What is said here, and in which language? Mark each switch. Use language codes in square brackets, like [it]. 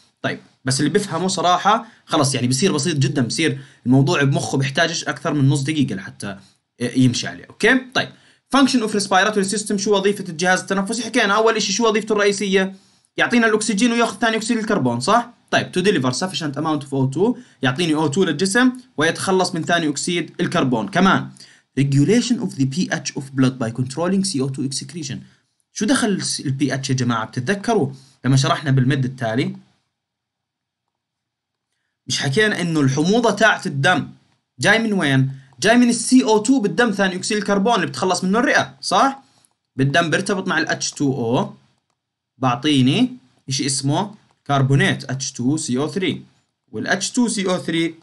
[ar] طيب بس اللي بفهمه صراحه خلص يعني بصير بسيط جدا، بصير الموضوع بمخه بيحتاجش اكثر من نص دقيقه لحتى يمشي عليه، اوكي؟ طيب [en] function of respiratory system, [ar] شو وظيفه الجهاز التنفسي؟ حكينا اول شيء شو وظيفته الرئيسيه؟ يعطينا الاكسجين وياخذ ثاني اكسيد الكربون، صح؟ طيب [en] to deliver sufficient amount of O two, [ar] يعطيني او2 للجسم ويتخلص من ثاني اكسيد الكربون. كمان [en] regulation of the pH of blood by controlling CO2 excretion. [ar] شو دخل الـ pH يا جماعة؟ بتتذكروا لما شرحنا بالمد التالي مش حكينا انه الحموضة تاعت الدم جاي من وين؟ جاي من الـ CO2 بالدم، ثاني أكسيد الكربون اللي بتخلص منه الرئة، صح؟ بالدم بيرتبط مع الـ H2O بعطيني إشي اسمه كربونات H2CO3، والـ H2CO3